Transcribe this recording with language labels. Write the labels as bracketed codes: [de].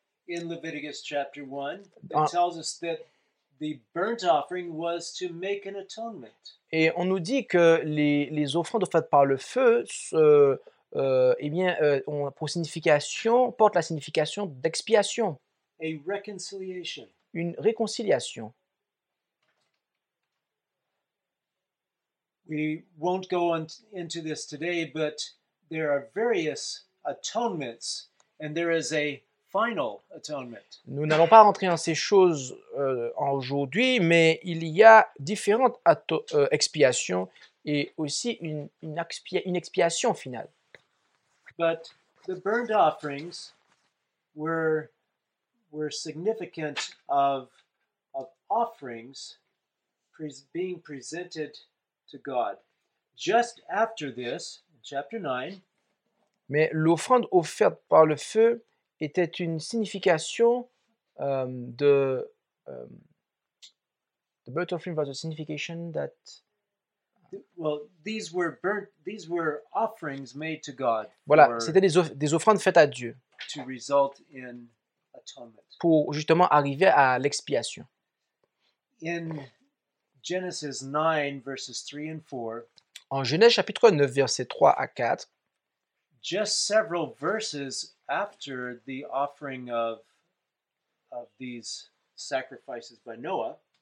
[en] In Leviticus chapter 1, it tells us that the burnt offering was to make an atonement. [fr] Et on nous dit que les offrandes faites par le feu ont pour signification porte la signification d'expiation. [en] A reconciliation. [fr] Une réconciliation. [en] We won't go into this today, but there are various atonements and there is a final atonement. [fr] Nous n'allons pas rentrer dans ces choses aujourd'hui, mais il y a différentes expiations et aussi une expiation finale. [en] But the burnt offerings were significant of offerings being presented to God. Just after this, in chapter 9, [fr] Mais l'offrande offerte par le feu était une signification [en] the burnt offering was a signification that Well, these were burnt, these were offerings made to God [fr] Voilà, c'était des offrandes faites à Dieu [en] to result in atonement. [fr] pour justement arriver à l'expiation. [en] In Genesis 9, verses 3 and 4, [fr] En Genèse chapitre 9, versets 3 à 4, [en] just several verses after the offering of these sacrifices by Noah,